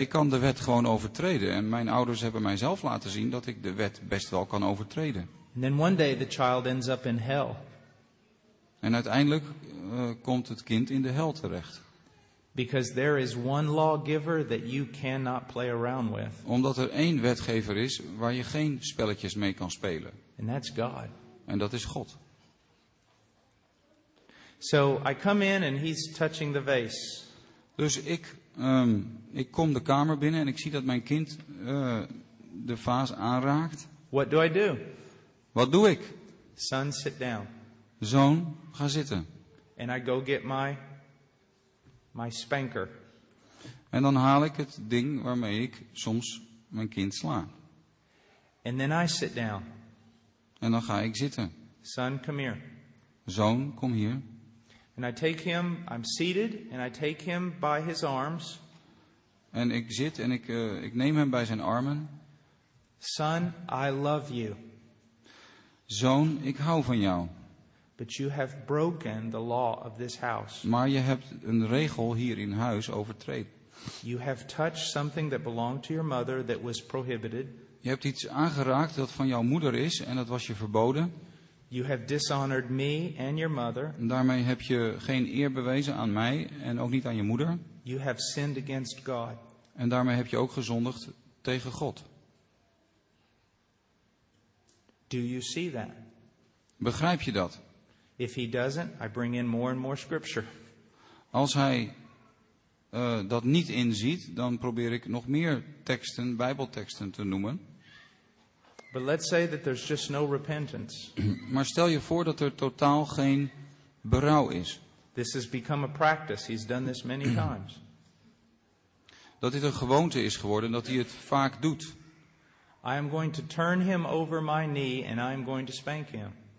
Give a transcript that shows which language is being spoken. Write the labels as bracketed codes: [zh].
[nl] Ik kan de wet gewoon overtreden en mijn ouders hebben mijzelf laten zien dat ik de wet best wel kan overtreden. [en] And then one day the child ends up in hell. [nl] En uiteindelijk komt het kind in de hel terecht. [en] Because there is one lawgiver that you cannot play around with. [nl] Omdat er één wetgever is waar je geen spelletjes mee kan spelen. [en] And that's God. [nl] En dat is God. [en] So I come in and he's touching the vase. [nl] Dus ik kom de kamer binnen en ik zie dat mijn kind de vaas aanraakt. [en] What do I do? [nl] Wat doe ik? [en] Son, sit down. [nl] Zoon, ga zitten. [en] And I go get my spanker. [nl] En dan haal ik het ding waarmee ik soms mijn kind sla. [en] And then I sit down. [nl] En dan ga ik zitten. [en] Son, come here. [nl] Zoon, kom hier. [en] And I take him, I'm seated, and I take him by his arms. [nl] En ik zit en ik neem hem bij zijn armen. [en] Son, I love you. [nl] Zoon, ik hou van jou. [en] But you have broken the law of this house. [nl] Maar je hebt een regel hier in huis overtreden. [en] You have touched something that belonged to your mother that was prohibited. [nl] Je hebt iets aangeraakt dat van jouw moeder is en dat was je verboden. [en] You have dishonored me and your mother. [nl] Daarmee heb je geen eer bewezen aan mij en ook niet aan je moeder. [en] You have sinned against God. [nl] En daarmee heb je ook gezondigd tegen God. [en] Do you see that? [nl] Begrijp je dat? [en] If he doesn't, I bring in more and more scripture. [nl] Als hij dat niet inziet, dan probeer ik nog meer teksten, Bijbelteksten te noemen. [en] But let's say that there's just no repentance. [nl] Maar stel je voor dat er totaal geen berouw is. [en] This has become a practice. He's done this many times. [nl] Dat dit een gewoonte is geworden, dat hij het vaak doet. [en] I am going to turn him over my knee and I am going to spank him.